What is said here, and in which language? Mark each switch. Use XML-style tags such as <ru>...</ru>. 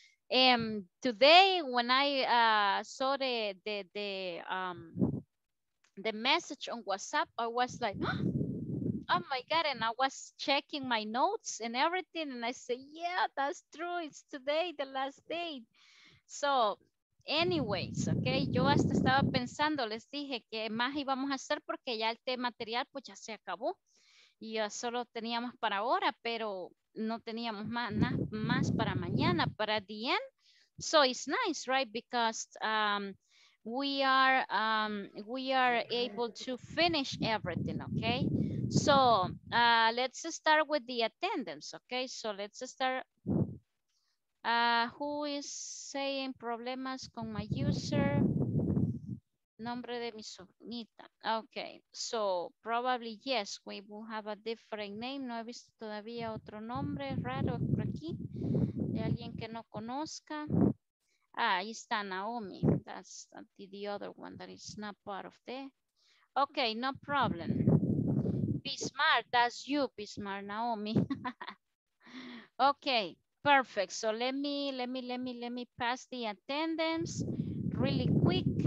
<en>And today when I saw the message on WhatsApp, I was like, oh my God, and I was checking my notes and everything, and I say, yeah, that's true, it's today, the last day.</en> <es>So, anyways, okay, yo hasta estaba pensando, les dije que más íbamos a hacer porque ya el tema material pues ya se acabó y ya solo teníamos para ahora, pero no teníamos más, más para mañana, para the end.</es> <en>So it's nice, right, because we are able to finish everything, okay? So let's start with the attendance, okay? So let's start. Who is saying problemas con my user?</en> <es>Nombre de mi sobrinita.</es> <en>Okay, so probably yes, we will have a different name.</en> <es>No he visto todavía otro nombre raro por aquí de alguien que no conozca. Ah, ahí está Naomi.</es> <en>That's the other one that is not part of the. Okay, no problem. Bismarck, that's you, Bismarck, Naomi. Okay, perfect. So let me pass the attendance really quick.</en>